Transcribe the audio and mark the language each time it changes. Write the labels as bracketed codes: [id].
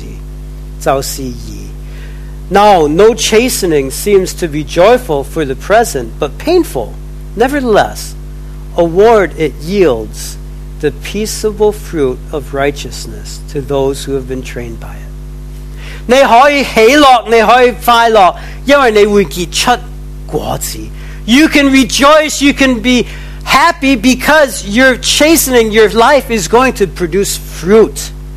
[zh] 凡管教的事，当时不觉得快乐，反觉得受苦，后来却为那经验过的人结出平安的果子，就是义。 [en] Now, no chastening seems to be joyful for the present, but painful. Nevertheless, a reward it yields the peaceable fruit of righteousness to those who have been trained by it. [zh] 你可以喜乐，你可以快乐，因为你会结出果子。 [en] You can rejoice, you can be happy because your chastening, your life is going to produce fruit.